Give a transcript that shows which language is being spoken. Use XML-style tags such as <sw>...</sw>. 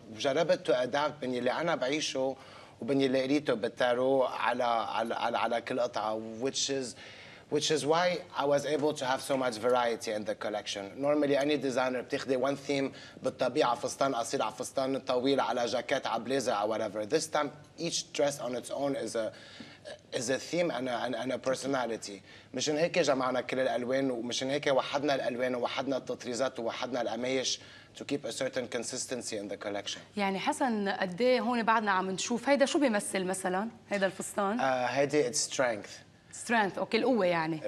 <ar>وجربت أدابت بين اللي أنا بعيشه وبين اللي قريته بالتارو على على على, على كل قطعة،</ar> <en>which is why I was able to have so much variety in the collection. Normally any designer</en> <ar>بتاخدي</ar> <en>one theme</en> <ar>بالطبيعة، فستان قصير على فستان طويل على جاكيت على بليزر أو</ar> <en>whatever. This time each dress on its own is a theme and a personality.</en> <ar>مشان هيك جمعنا كل الألوان، ومشان هيك وحدنا الألوان ووحدنا التطريزات ووحدنا القمايش</ar> <en>to keep a certain consistency in the collection.</en> <ar>يعني حسن قد ايه هون بعدنا عم نشوف هيدا شو بيمثل مثلا هيدا الفستان؟ هيدي</ar> <en>its strength. Strength.</en> <ar>اوكي القوة يعني.</ar>